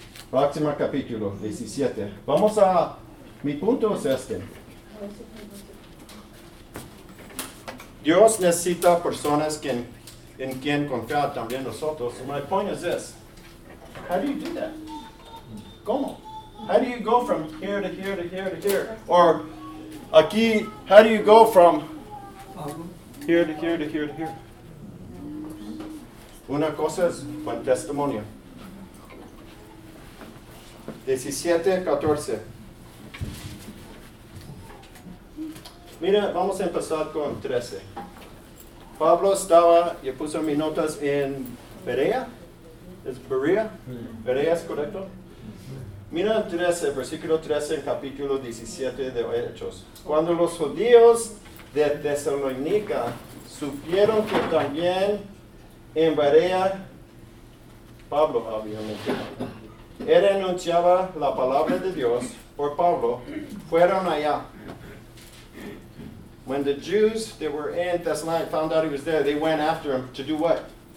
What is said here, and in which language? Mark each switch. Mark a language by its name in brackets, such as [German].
[Spanish] Próximo capítulo, 17. Vamos a... Mi punto es este. Dios necesita personas que, en quien confiar también nosotros. [English] My point is this. How do you do that? [Spanish] ¿Cómo? [English] How do you go from here to here to here to here? Or aquí, how do you go from here to here to here to here? [Spanish] Una cosa es buen testimonio. 17:14. Mira, vamos a empezar con 13. Pablo estaba, yo puse mis notas en Berea. ¿Es Berea? ¿Berea es correcto? Mira 13, versículo 13, capítulo 17 de Hechos. Cuando los judíos de Tesalónica supieron que también en Berea, Pablo obviamente, él anunciaba la palabra de Dios por Pablo, fueron allá. [English] When the Jews that were in Thessalonica found out he was there, they went after him to do what?